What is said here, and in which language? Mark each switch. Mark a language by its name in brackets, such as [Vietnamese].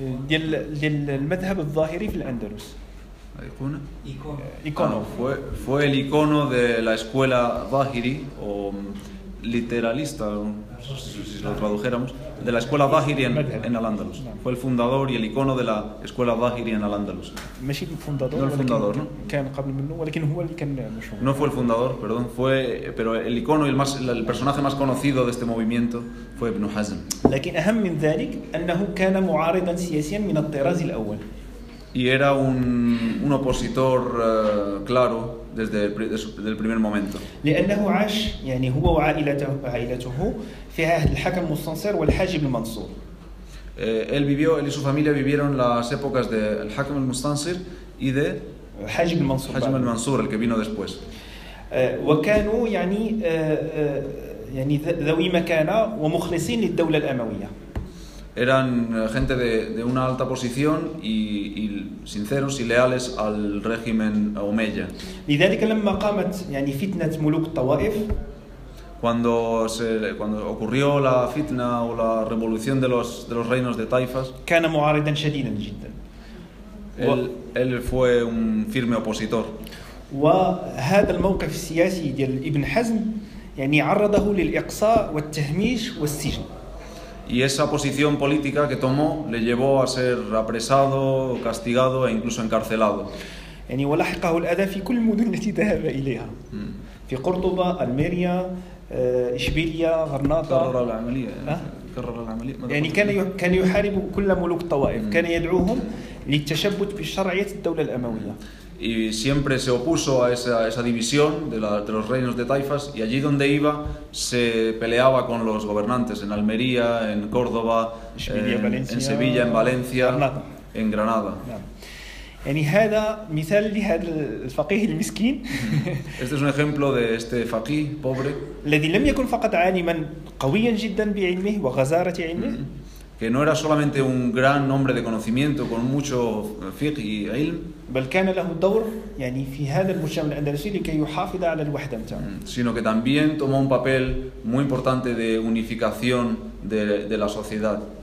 [Arabic] للمذهب الظاهري في الأندلس. ايقونه ايقونه [Spanish] fue el icono de la escuela ظاهري o literalista si lo tradujéramos de la escuela ظاهري en الأندلس. Fue el fundador y el icono de la escuela ظاهري en الأندلس. [Arabic] ماشي الفوندادور [Spanish] no el fundador [Arabic] كان قبل منه ولكن هو اللي كان مشهور. [Spanish] No fue el fundador, perdón, fue pero el icono y el personaje más conocido de este movimiento fue Ibn Hazm. [Arabic] لكن اهم من ذلك انه كان معارضا سياسيا من الطراز الاول. [Spanish] Y era un opositor claro desde el primer momento. [Arabic] لانه عاش يعني هو وعائلته في عهد الحكم المستنصر والحاجب المنصور. [Spanish] Él vivió, él y su familia vivieron las épocas de el Hakim el Mustansir y de Hajib el Mansur. Hajib el Mansur, el que vino después. [Arabic] وكانوا يعني يعني ذوي مكانة ومخلصين للدولة الأموية. [Spanish] Eran gente de una alta posición y sinceros y leales al régimen Omeya. [Arabic] لذلك لما قامت يعني فتنة ملوك الطوائف. [Spanish] Cuando ocurrió la fitna o la revolución de los reinos de Taifas, [Arabic] كان معارضا شديدا جدا. [Spanish] Él fue un firme opositor. [Arabic] وهذا الموقف السياسي ديال ابن حزم يعني عرضه للإقصاء والتهميش والسجن. [Spanish] Y esa posición política que tomó le llevó a ser apresado, castigado e incluso encarcelado. [Arabic] يعني ولحقه الأذى في كل المدن التي ذهب إليها. في قرطبة، الميريا، إشبيلية، غرناطة. كرر العملية. يعني كان يحارب كل ملوك الطوائف. كان يدعوهم للتشبث بشرعية الدولة الأموية. [Spanish] Y siempre se opuso a esa división de los reinos de Taifas y allí donde iba se peleaba con los gobernantes en Almería, en Córdoba, Valencia, en Sevilla, en Valencia, Granada. En Granada. [Arabic] يعني هذا مثال لهذا الفقيه المسكين. [Spanish] Este es un ejemplo de este faqih pobre. [Arabic] الذي لم يكن فقط عالما قويا جدا بعلمه وغزارة علمه. [Spanish] Que no era solamente un gran hombre de conocimiento con mucho fiqh y ilm. [Arabic] بل كان له دور يعني في هذا المجتمع الأندلسي لكي يحافظ على الوحدة متاعه. [Spanish] Sino que también tomó un papel muy importante de unificación de la sociedad.